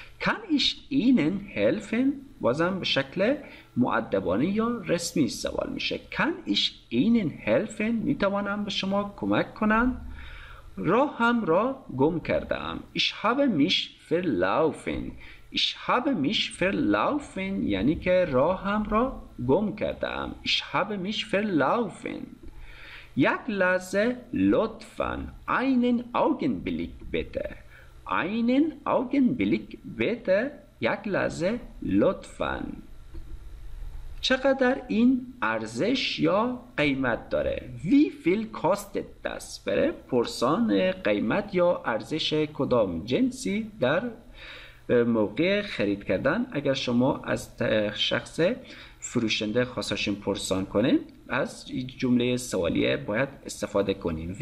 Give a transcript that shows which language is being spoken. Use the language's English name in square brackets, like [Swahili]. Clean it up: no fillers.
[German] Kann ich Ihnen helfen؟ [Persian] بازم به شکل مؤدبانه یا رسمی سوال میشه. [German] Kann ich Ihnen helfen؟ [Persian] می توانم به شما کمک کنم؟ راهم را گم کردم. [German] Ich habe mich verlaufen. Ich habe mich verlaufen [Persian] یعنی که راهم را گم کرده ام. [German] Ich habe mich verlaufen. [Persian] یک لحظه لطفاً. [German] Einen Augenblick bitte. Einen Augenblick bitte. [Persian] یک لحظه لطفاً. چقدر این ارزش یا قیمت داره؟ [German] Wie viel kostet das? [Persian] بره پرسان قیمت یا ارزش کدام جنسی در موقع خرید کردن. اگر شما از شخص فروشنده خواستشون پرسان کنین، از جمله سوالیه باید استفاده کنین.